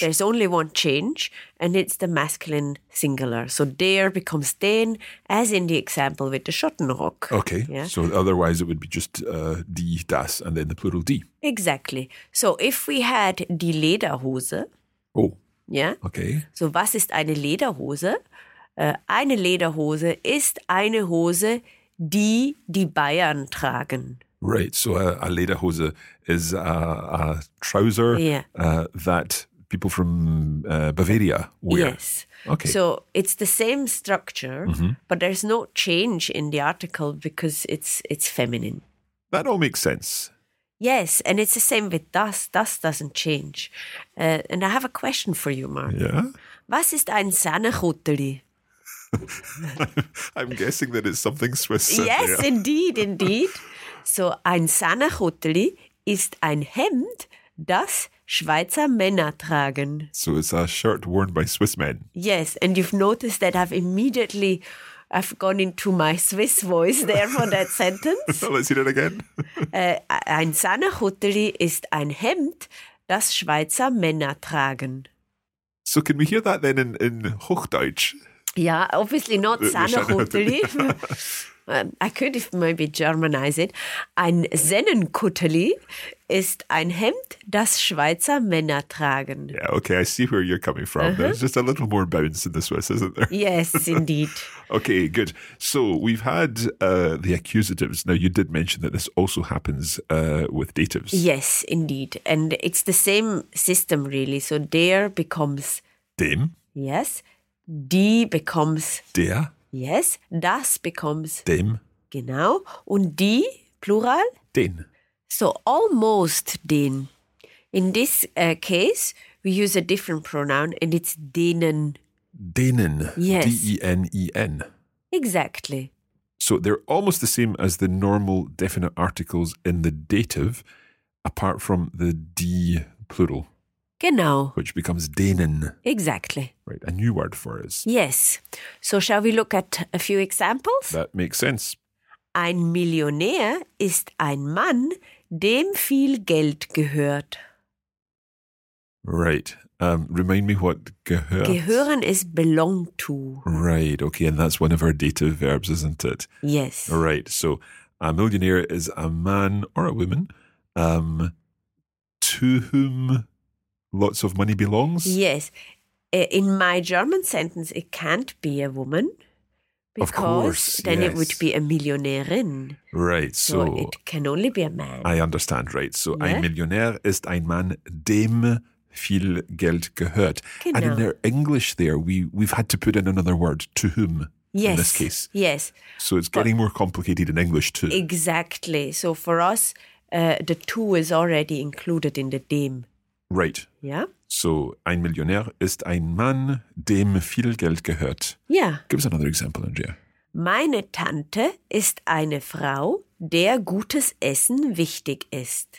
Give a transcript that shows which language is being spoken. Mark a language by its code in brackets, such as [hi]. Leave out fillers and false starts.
[en] There's only one change, and it's the masculine singular. So der becomes den, as in the example with the Schottenrock. Okay. Yeah? So otherwise it would be just die, das, and then the plural die. Exactly. So if we had die Lederhose. Oh. Yeah. Okay. [de] So was ist eine Lederhose? Eine Lederhose ist eine Hose, die die Bayern tragen. [en] Right. So a Lederhose is a trouser that people from Bavaria wear. Yes. Okay. So it's the same structure, but there's no change in the article because it's feminine. That all makes sense. Yes. And it's the same with das. Das doesn't change. And I have a question for you, Mark. Yeah? [de] Was ist ein Sahnehutteli? [en] I'm guessing that it's something Swiss. Yes, indeed. [de] So, ein Sahnehutteli ist ein Hemd, das Schweizer Männer tragen. [en] So, it's a shirt worn by Swiss men. Yes, and you've noticed that I've gone into my Swiss voice there for that sentence. Let's hear it again. [de] Ein Sahnehutteli ist ein Hemd, das Schweizer Männer tragen. [en] So, can we hear that then in Hochdeutsch? Yeah, obviously not Sahnehutteli. I could maybe Germanize it. [de] Ein Sennenkutteli ist ein Hemd, das Schweizer Männer tragen. [en] Yeah, okay, I see where you're coming from. Uh-huh. There's just a little more bounce in the Swiss, isn't there? Yes, indeed. Okay, good. So we've had the accusatives. Now, you did mention that this also happens with datives. Yes, indeed. And it's the same system, really. So der becomes... [de] dem. [en] Yes. Die becomes... [de] der. [en] Yes, das becomes [de] dem. Genau. Und die, plural? Den. [en] So almost den. In this case, we use a different pronoun and it's denen. [de] Denen. [en] Yes. D-E-N-E-N. Exactly. So they're almost the same as the normal definite articles in the dative, apart from the D plural. [de] Genau. [en] Which becomes denen. Exactly. Right, a new word for us. Yes. So shall we look at a few examples? That makes sense. [de] Ein Millionär ist ein Mann, dem viel Geld gehört. [en] Right. Remind me what gehört. Gehören is belong to. Right, okay. And that's one of our dative verbs, isn't it? Yes. Right, so a millionaire is a man or a woman to whom... lots of money belongs? Yes. In my German sentence, it can't be a woman. Of course, then it would be a Millionärin. Right, so... it can only be a man. I understand, right. [de] So ein Millionär ist ein Mann, dem viel Geld gehört. Genau. [en] And in their English there, we've had to put in another word, to whom, in this case. Yes, so it's getting more complicated in English too. Exactly. So for us, the to is already included in the dem. Right. Yeah. [de] So, ein Millionär ist ein Mann, dem viel Geld gehört. [en] Yeah. Give us another example, Andrea. [de] Meine Tante ist eine Frau, der gutes Essen wichtig ist.